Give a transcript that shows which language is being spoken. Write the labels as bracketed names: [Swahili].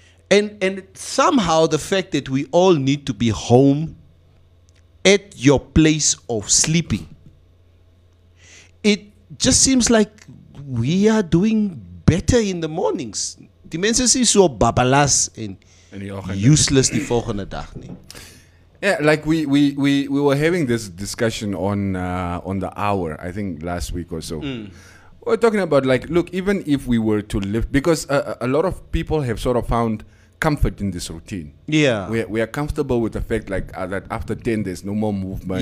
[English] And somehow the fact that we all need to be home at your place of sleeping, it just seems like we are doing better in the mornings. [Afrikaans] Die mense is so babalas [English] and [Afrikaans] useless die volgende dag nie. [English] Yeah, like we were having this discussion on the hour, I think last week or so. We're talking about like, look, even if we were to live, because a lot of people have sort of found comfort in this routine. Yeah. We are comfortable with the fact like that after 10 there's no more movement.